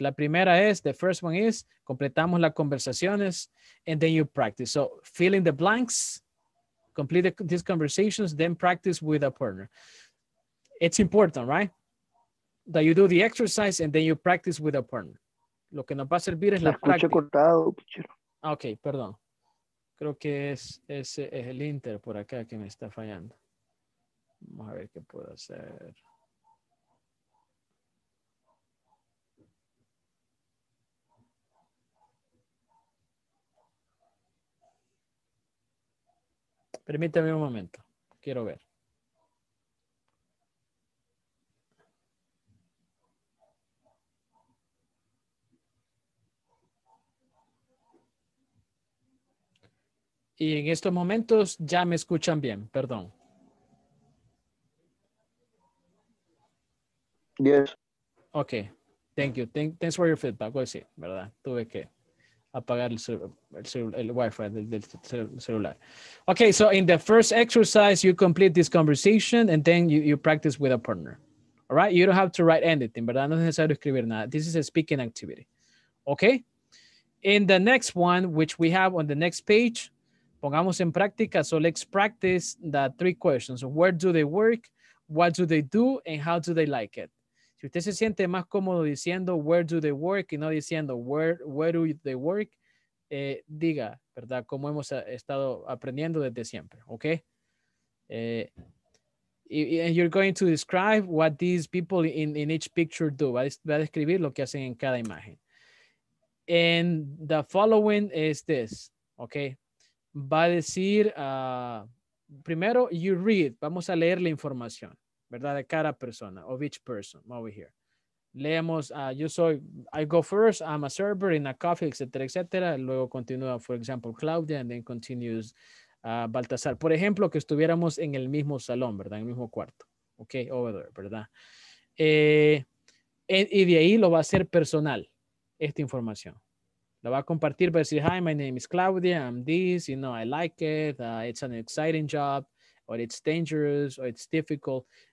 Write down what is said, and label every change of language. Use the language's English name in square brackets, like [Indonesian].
[Spanish] La primera es, [English] the first one is, [Spanish] completamos las conversaciones [English] and then you practice. So, fill in the blanks. Complete these conversations, then practice with a partner. It's important, right? That you do the exercise and then you practice with a partner. [Spanish] Lo que nos va a servir es la práctica. Escucho cortado, pichero. Ok, perdón. Creo que es el Inter por acá que me está fallando. Vamos a ver qué puedo hacer. Permítame un momento. Quiero ver. Y en estos momentos ya me escuchan bien. Perdón. [English] Yes. Okay. Thank you. Thanks for your feedback. [Spanish] Pues sí, ¿verdad? Tuve que apagar el Wi-Fi del celular. [English] Okay, so in the first exercise, you complete this conversation and then you practice with a partner. All right, you don't have to write anything, [Spanish] ¿verdad? No es necesario escribir nada. [English] This is a speaking activity. Okay? In the next one, which we have on the next page, [Spanish] pongamos en práctica. [English] So let's practice the three questions. Where do they work? What do they do? And how do they like it? [Spanish] Si usted se siente más cómodo diciendo [English] where do they work [Spanish] y no diciendo [English] where do they work, [Spanish] diga, ¿verdad? Como hemos estado aprendiendo desde siempre. Okay? [English] You're going to describe what these people in each picture do. [Spanish] Va a describir lo que hacen en cada imagen. [English] And the following is this, okay? [Spanish] Va a decir, primero, [English] you read. [Spanish] Vamos a leer la información, ¿verdad? De cada persona, [English] of each person over here. Leemos, I go first, I'm a server in a coffee, etcétera, etcétera. [Spanish] Luego continúa, [English] for example, Claudia, and then continues Baltasar. [Spanish] Por ejemplo, que estuviéramos en el mismo salón, ¿verdad? En el mismo cuarto, okay? [English] Over there, [Spanish] ¿verdad? Y de ahí lo va a hacer personal. Esta información la va a compartir, va a decir, [English] hi, my name is Claudia, I'm this, you know, I like it, it's an exciting job, or it's dangerous, or it's difficult.